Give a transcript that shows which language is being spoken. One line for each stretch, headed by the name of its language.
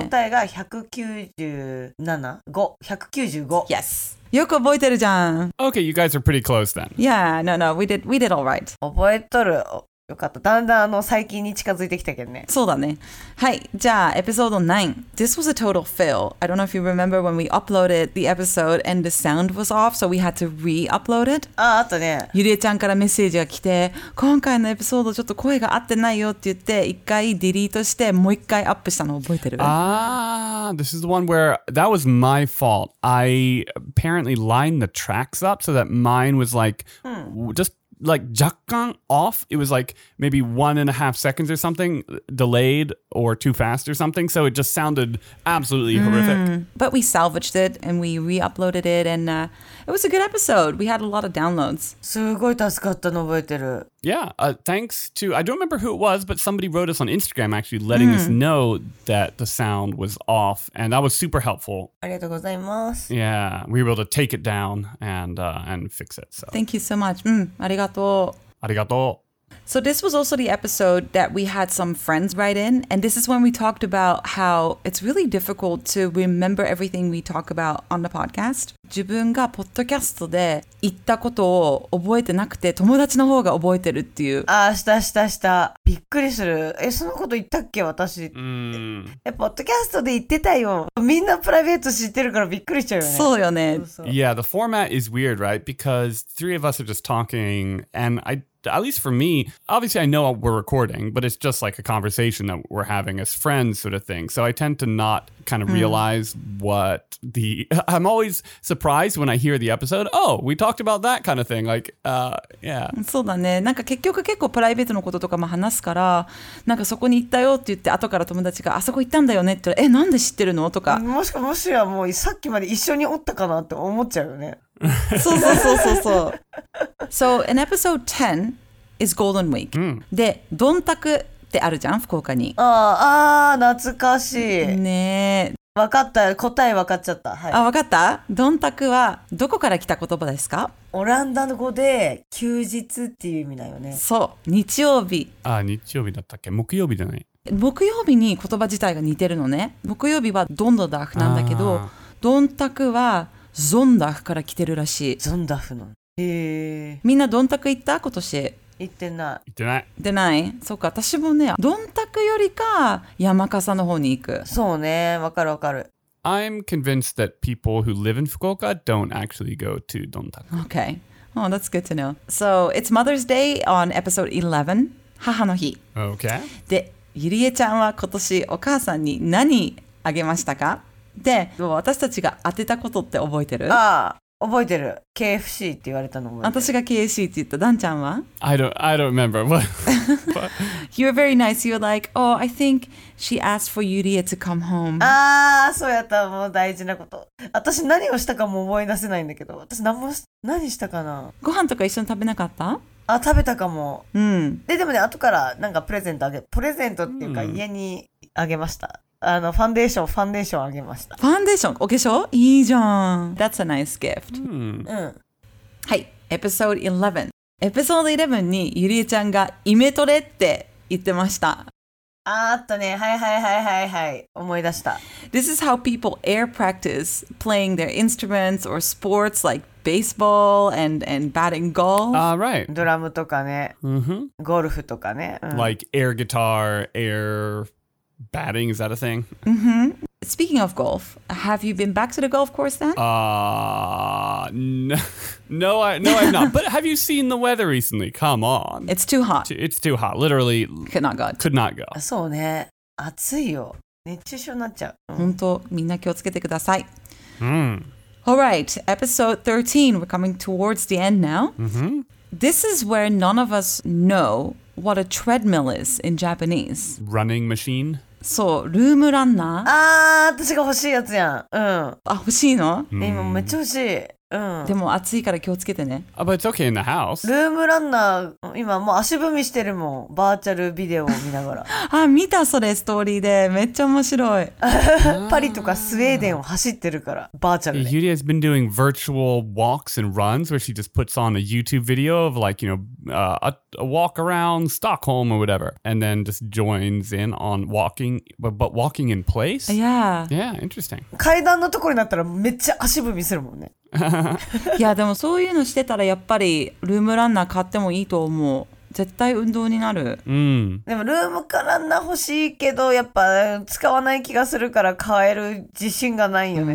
Japanese: 答えが195。
English: Yes.
Japanese: よく覚えてるじゃん。
English: Okay, you guys are pretty close then. Yeah, no, no, we did all right.
Japanese: 覚えとる。よかった。だんだん最近に近づいてきたけどね。そうだね。はい、じゃあエピソード9。
English: This was a total fail. I don't know if you remember when we uploaded the episode and the sound was off, so we had to re-upload it.
Japanese: あったね。ゆりえちゃんからメッセージが来て、今回のエピソードちょっと声が合ってないよって言って、一回ディリートしてもう一回アップしたの覚えてる？
English: This is the one where that was my fault. I apparently lined the tracks up so that mine was like, just like 若干 off. It was like maybe 1.5 seconds or something delayed or too fast or something. So it just sounded absolutely horrific. But we salvaged it and we re-uploaded it and it was a good episode. We had a lot of downloads.
Japanese: すごい助かったの覚えてる。
English: Yeah, thanks to, I don't remember who it was, but somebody wrote us on Instagram actually letting us know that the sound was off, and that was super helpful.
Japanese: ありがとうございます。
English: Yeah, we were able to take it down and fix it. So. Thank you so much.
Japanese: ありがとう。ありがとう。
English: So this was also the episode that we had some friends write in, and this is when we talked about how it's really difficult to remember everything we talk about on the podcast.
Japanese: 自分がポッドキャストで言ったことを覚えてなくて友達の方が覚えてるっていう。ああ、したしたした。びっくりする。え、そのこと言ったっけ私。え、ポッドキャストで言ってたよ。みんなプライベート知ってるからびっくりしちゃうよね。そうよね。
English: Yeah, the format is weird, right? Because three of us are just talking and I... At least for me, obviously I know we're recording, but it's just like a conversation that we're having as friends sort of thing. So I tend to not kind of realize what the... I'm always surprised when I hear the episode, oh, we talked about that kind of thing. Like, yeah.
Japanese: そうだね。なんか結局結構プライベートのこととかも話すから、なんかそこに行ったよって言って、後から友達があそこ行ったんだよねって言ったら、え、なんで知ってるのとか。もしかもしやもうさっきまで一緒におったかなって思っちゃうよね。そうそうそうそうそう。
English: So in episode 10 is Golden Week.
Japanese: で、どんたくってあるじゃん、福岡に。ああ、懐かしい。ねえ。わかった、答えわかっちゃった。はい、あ、わかった？どんたくはどこから来た言葉ですか？オランダ語で休日っていう意味だよね。そう、日曜日。あ、日曜日だったっけ？木曜日じゃない。木曜日に言葉自体が似てるのね。木曜日はどんどんダフなんだけど、どんたくはゾンダフから来てるらしい。ゾンダフの。みんなどんたく行った今年？行ってない。行ってない。でない。そうか、私もね、どんたくよりか山笠の方に行く。そうね、わかるわかる。
English: I'm convinced that people who live in Fukuoka don't actually go to どんたく。 Okay. Oh, that's good to know. So, it's Mother's Day on episode 11, 母の日。 Okay.
Japanese: で、ゆりえちゃんは今年お母さんに何あげましたか？で、私たちが当てたことって覚えてる？ああ、覚えてる。KFC って言われたの覚えてる。私が KFC って言った。ダンちゃんは？
English: I don't remember. What? You were very nice. You were like, oh, I think she asked for Yuriya to come home.
Japanese: ああ、そうやった。もう大事なこと。私何をしたかも覚え出せないんだけど。私何したかな？ご飯とか一緒に食べなかった？あ、食べたかも。うん。でもね、後からなんかプレゼントあげ、プレゼントっていうか家にあげました。ファンデーションあげました。ファンデーション、お化粧、いいじゃん。
English: That's a nice gift.
Japanese: はい、エピソード11にゆりえちゃんがイメトレって言ってました。あったね。はいはいはいはいはい、思い出した。
English: This is how people air practice playing their instruments or sports like baseball and batting golf. Right.
Japanese: ドラムとかね、ゴルフとかね、
English: like air guitar, airBatting, is that a thing? Mm-hmm. Speaking of golf, have you been back to the golf course then? No. No, I'm not. But have you seen the weather recently? Come on. It's too hot. It's too hot. Literally. Could not go. Could not go.
Japanese: そうね。暑いよ。熱中症になっちゃう。本当、みんな気をつけてください。 Mm.
English: All right. Episode 13. We're coming towards the end now. Mm-hmm. This is where none of us know what a treadmill is in Japanese. Running machine?
Japanese: そう、ルームランナー。ああ、私が欲しいやつやん。うん。あ、欲しいの？え、今めっちゃ欲しい。うん。でも暑いから気をつけてね。
English: Oh, but it's okay in the house.
Japanese: ルームランナー、今もう足踏みしてるもん。バーチャルビデオを見ながら。あ、見たそれ、ストーリーで。めっちゃ面白い。パリとかスウェーデンを走ってるから、バーチャルで。
English: Yuri has been doing virtual walks and runs where she just puts on a YouTube video of like, you know, a walk around Stockholm or whatever. And then just joins in on walking, but walking in place? Yeah. Yeah, interesting.
Japanese: 階段のところになったらめっちゃ足踏みするもんね。いやでもそういうのしてたらやっぱりルームランナー買ってもいいと思う絶対運動になる、うん、でもルームかランナー欲しいけどやっぱ使わない気がするから買える自信がないよね、